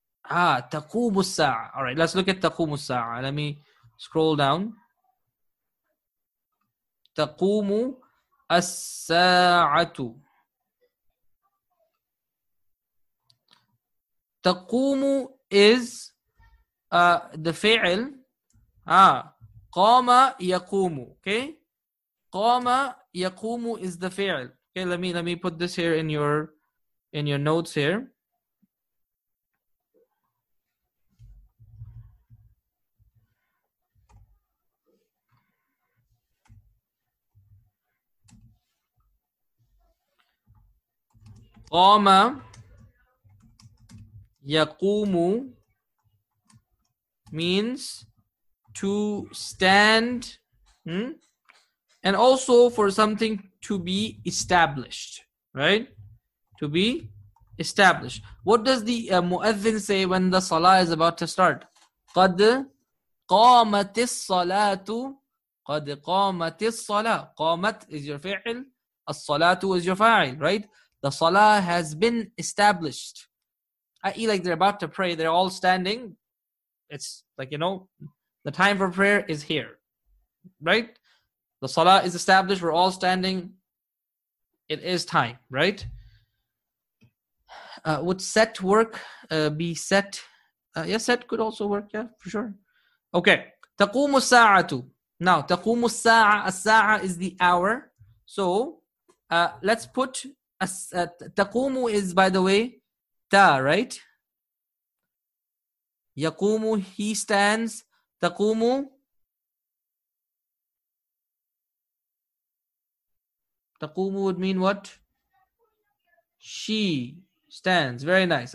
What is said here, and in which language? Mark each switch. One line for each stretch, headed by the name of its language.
Arabic: تَقُومُ السَّاعَةِ
English: All right, let's look at تَقُومُ السَّاعَةِ Let me scroll down.
Arabic: تَقُومُ السَّاعَةُ تَقُومُ
English: is the fi'il.
Arabic: قَامَ يَقُومُ
English: Okay?
Arabic: قَامَ يَقُومُ
English: is the fi'il. Okay, let me put this here in your notes here.
Arabic: قام يقوم
English: means to stand and also for something to be established, right? To be established. What does the muezzin say when the salah is about to start?
Arabic: قد قامت الصلاة قد قامت الصلاة قامت
English: is your fi'il
Arabic: الصلاة
English: is your fa'il, right? The salah has been established. I.e. like they're about to pray. They're all standing. It's like, you know, the time for prayer is here. Right? The salah is established. We're all standing. It is time. Right? Would set work be set? Yes, set could also work. Yeah, for sure. Okay.
Arabic: تَقُومُ السَّاعَةُ
English: Now,
Arabic: تَقُومُ السَّاعَةُ السَّاعَةُ
English: is the hour. So, let's put... Taqumu is, by the way, ta, right? Yaqumu, he stands. Taqumu. Taqumu would mean what? She stands. Very nice.